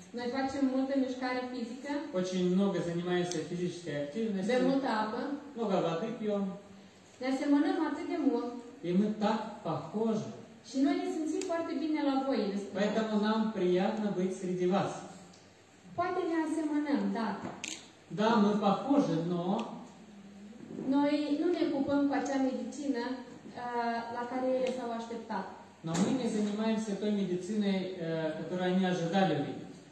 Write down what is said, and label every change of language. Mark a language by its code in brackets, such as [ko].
[ro] Noi facem multă mișcare fizică. [ru] Очень много занимаемся физической активностью. [ro] Bem multă apă. [ru] Много воды пьем. [ro] Ne asemănăm atât de mult. [ru] И мы так похожи. [ro] Și noi ne simțim foarte bine la voi. [ru] Поэтому нам приятно быть среди вас. [ro] Poate ne asemănăm, da. [ru] Да, мы похожи, но... [ro] Noi nu ne ocupăm cu acea medicină la care ele s-au așteptat. [ru] Но мы не занимаемся той медициной, которую они ожидали увидеть.